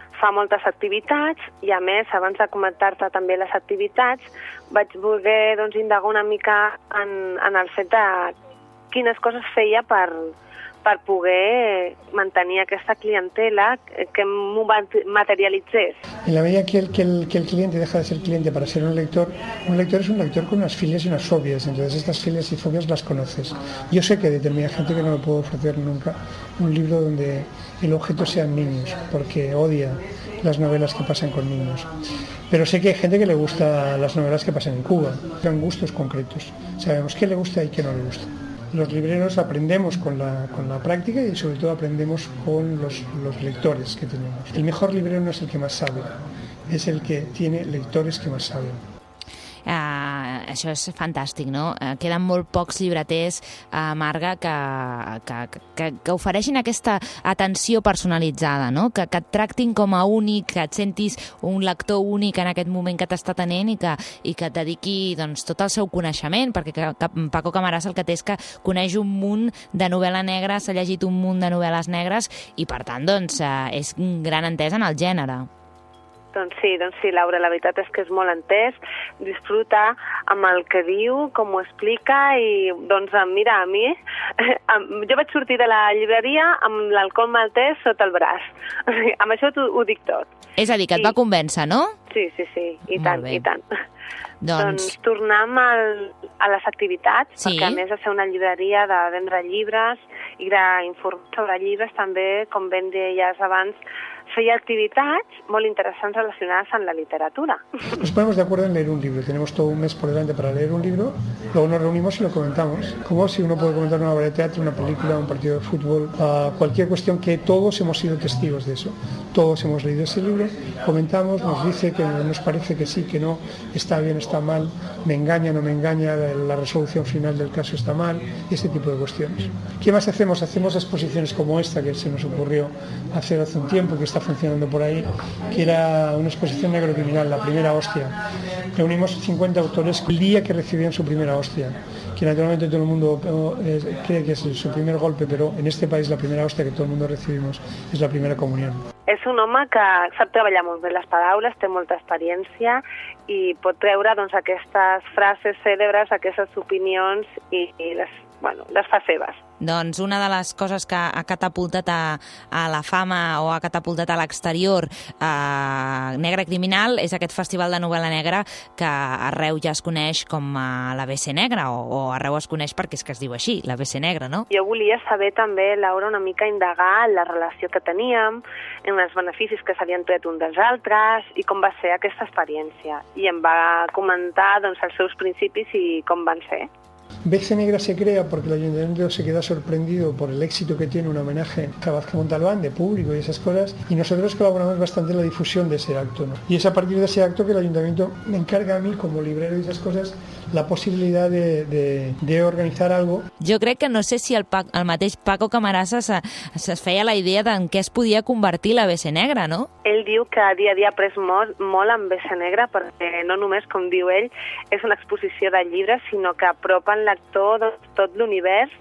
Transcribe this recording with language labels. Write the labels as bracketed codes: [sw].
[ca] Fa moltes activitats i, a més, abans de comentar-te també les activitats, vaig voler doncs, indagar una mica en el fet de quines coses feia per poder mantenir aquesta clientela, que m'ho materialitzés. [es] En la medida que el cliente deja de ser cliente para ser un lector es un lector con unas filias y unas fobias, entonces estas filias y fobias las conoces. Yo sé que determina gente que no me puedo ofrecer nunca un libro donde el objeto sean niños, porque odia las novelas que pasan con niños. Pero sé que hay gente que le gusta las novelas que pasan en Cuba, son gustos concretos, sabemos qué le gusta y qué no le gusta. Los libreros aprendemos con la práctica y sobre todo aprendemos con los lectores que tenemos. El mejor librero no es el que más sabe, es el que tiene lectores que más saben. [ca] Això és fantàstic, no? Queden molt pocs llibreters, Marga, que ofereixin aquesta atenció personalitzada, no? Que et tractin com a únic, que et sentis un lector únic en aquest moment que t'està tenent i que et dediqui doncs, tot el seu coneixement, perquè Paco Camarasa el que té és que coneix un munt de novel·la negra, s'ha llegit un munt de novel·les negres i, per tant, doncs, és un gran entès en el gènere. Doncs sí, Laura, la veritat és que és molt entès, disfruta amb el que diu, com ho explica i, doncs, mira, a mi, jo vaig sortir de la llibreria amb l'alcohol maltès sota el braç, amb això ho dic tot. És a dir, que et va convèncer, no? Sí, i tant, molt bé. I tant. Doncs tornem a les activitats, sí. Perquè a més de ser una llibreria de vendre llibres i d'informar sobre llibres, també, com ben deies abans, feia activitats molt interessants relacionades amb la literatura. [es] Nos ponemos de acuerdo en leer un libro. Tenemos todo un mes por delante para leer un libro. Luego nos reunimos y lo comentamos. Como si uno puede comentar una obra de teatro, una película, un partido de fútbol, cualquier cuestión que todos hemos sido testigos de eso. Todos hemos leído ese libro, comentamos, nos dice que nos parece que sí, que no, está bien, está mal, me engaña, no me engaña, la resolución final del caso está mal, ese tipo de cuestiones. ¿Qué más hacemos? Hacemos exposiciones como esta que se nos ocurrió hace un tiempo, que está funcionando por ahí, que era una exposición negrocriminal, la primera hostia. Reunimos 50 autores el día que recibían su primera hostia, que naturalmente todo el mundo cree que es su primer golpe, pero en este país la primera hostia que todo el mundo recibimos es la primera comunión. [ca] És un home que sap treballar molt bé les paraules, té molta experiència i pot treure doncs, aquestes frases cèlebres, aquestes opinions i les, bueno, les fa seves. Doncs una de les coses que ha catapultat a la fama o ha catapultat a l'exterior Negra Criminal és aquest festival de novel·la negra que arreu ja es coneix com la BC Negra o arreu es coneix perquè és que es diu així, la BC Negra, no? Jo volia saber també, Laura, una mica indagar la relació que teníem, en els beneficis que s'havien tret un dels altres i com va ser aquesta experiència. I em va comentar doncs, els seus principis i com van ser. [es] BC Negra se crea porque el ayuntamiento se queda sorprendido por el éxito que tiene un homenaje a Vázquez Montalbán de público y esas cosas, y nosotros colaboramos bastante en la difusión de ese acto, ¿no? Y es a partir de ese acto que el ayuntamiento me encarga a mí como librero y esas cosas la posibilidad de organizar algo. [ca] Jo crec que no sé si el mateix Paco Camarasa se feia la idea d'en què es podia convertir la BC Negra, no? Ell diu que dia a dia ha pres molt amb BC Negra perquè no només, com diu ell, és una exposició de llibres, sinó que apropa en l'actor de tot l'univers.